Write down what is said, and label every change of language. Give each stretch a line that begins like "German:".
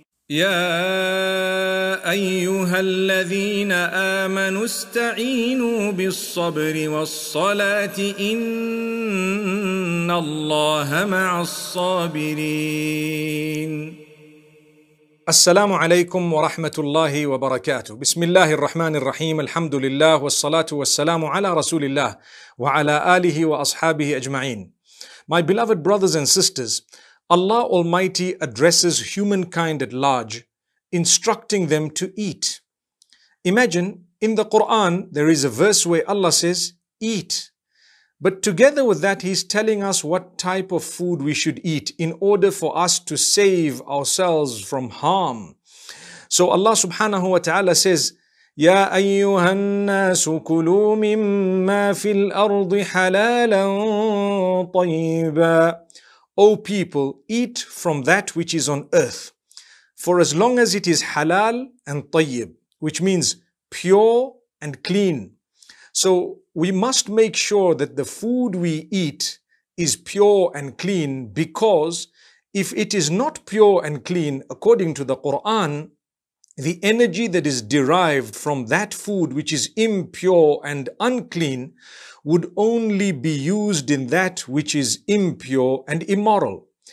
Arabic: يا أيها الذين آمنوا استعينوا بالصبر والصلاة إن الله مع الصابرين. السلام عليكم ورحمة الله وبركاته. بسم الله الرحمن الرحيم. الحمد لله والصلاة والسلام على رسول الله وعلى آله وأصحابه أجمعين.
English: My beloved brothers and sisters, Allah Almighty addresses humankind at large, instructing them to eat. Imagine, in the Quran, there is a verse where Allah says, eat. But together with that, He's telling us what type of food we should eat in order for us to save ourselves from harm. So Allah subhanahu wa ta'ala says,
Arabic: يَا أَيُّهَا النَّاسُ كُلُوا مِمَّا فِي الْأَرْضِ حَلَالًا طَيِّبًا.
English: O people, eat from that which is on earth, for as long as it is halal and tayyib, which means pure and clean. So we must make sure that the food we eat is pure and clean, because if it is not pure and clean, according to the Quran, the energy that is derived from that food which is impure and unclean would only be used in that which is impure and immoral.